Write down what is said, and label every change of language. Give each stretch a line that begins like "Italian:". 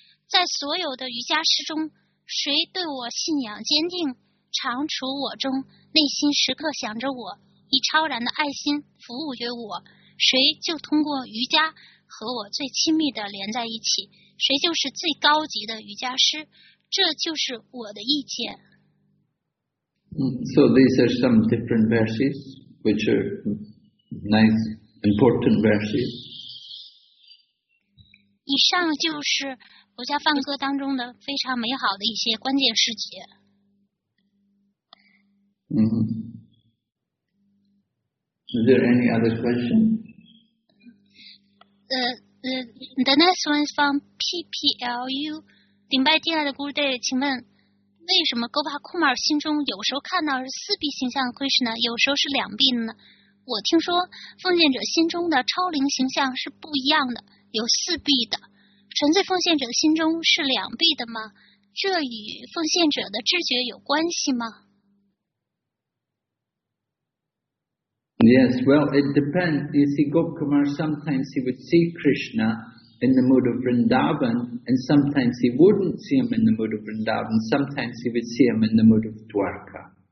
Chinese: 在所有的瑜伽师中，谁对我信仰坚定，常处我中，内心时刻想着我，以超然的爱心服务于我，谁就通过瑜伽和我最亲密的连在一起，谁就是最高级的瑜伽师。这就是我的意见。
English: So these are some different verses, which are nice, important verses. 以上就是薄伽梵歌当中的非常美好的一些关键时节。 Is there any other question? The next one is from PPLU.
Chinese: 顶拜敬爱的 Guru Dev， 请问为什么 Gopal Kumar 心中有时候看到是四臂形象的 Krishna， 有时候是两臂呢？我听说奉献者心中的超灵形象是不一样的，有四臂的。纯粹奉献者心中是两臂的吗？这与奉献者的知觉有关系吗？
English: Yes, well, it depends. You see, Gopkumar, sometimes he would see Krishna in the mood of Vrindavan, and sometimes he wouldn't see him in the mood of Vrindavan, sometimes he would see him in the mood of Dwarka.